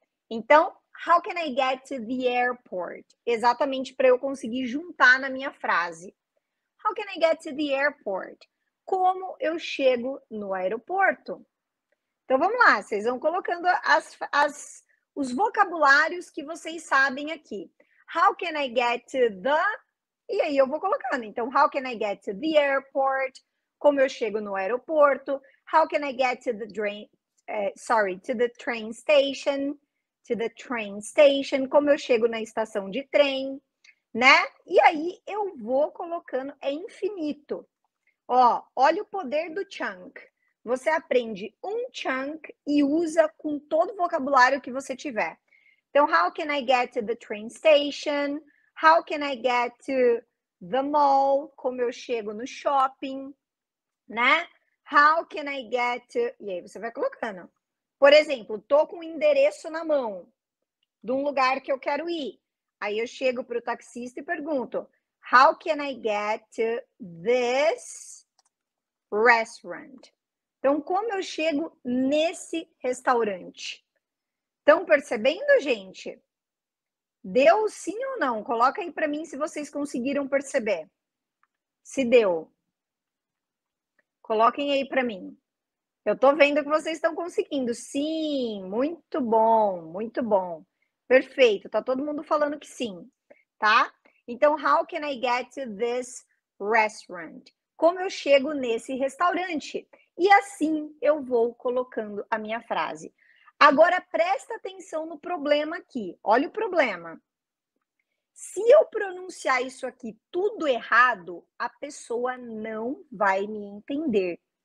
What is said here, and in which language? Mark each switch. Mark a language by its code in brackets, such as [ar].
[en] Então, how can I get to the airport? [pt] Exatamente para eu conseguir juntar na minha frase. [en] How can I get to the airport? [pt] Como eu chego no aeroporto? Então, vamos lá. Vocês vão colocando os vocabulários que vocês sabem aqui. [en] How can I get to the? [pt] E aí eu vou colocando. [en] Então, how can I get to the airport? [pt] Como eu chego no aeroporto? [en] How can I get to the train? Sorry, to the train station. To the train station. [pt] Como eu chego na estação de trem, né? E aí eu vou colocando. É infinito. Ó, olha o poder do chunk. Você aprende um chunk e usa com todo o vocabulário que você tiver. [en] Então, how can I get to the train station? How can I get to the mall? [pt] Como eu chego no shopping, né? [en] How can I get to? [pt] E aí você vai colocando. Por exemplo, tô com o endereço na mão de um lugar que eu quero ir. Aí eu chego para o taxista e pergunto: [en] How can I get to this restaurant? [pt] Então, como eu chego nesse restaurante? Estão percebendo, gente? Deu sim ou não? Coloca aí para mim se vocês conseguiram perceber. Se deu. Coloquem aí para mim. Eu estou vendo que vocês estão conseguindo. Sim, muito bom, muito bom. Perfeito, tá todo mundo falando que sim, tá? [en] Então, how can I get to this restaurant? [pt] Como eu chego nesse restaurante? E assim eu vou colocando a minha frase. Agora presta atenção no problema aqui. Olha o problema. Se eu pronunciar isso aqui tudo errado, a pessoa não vai me entender.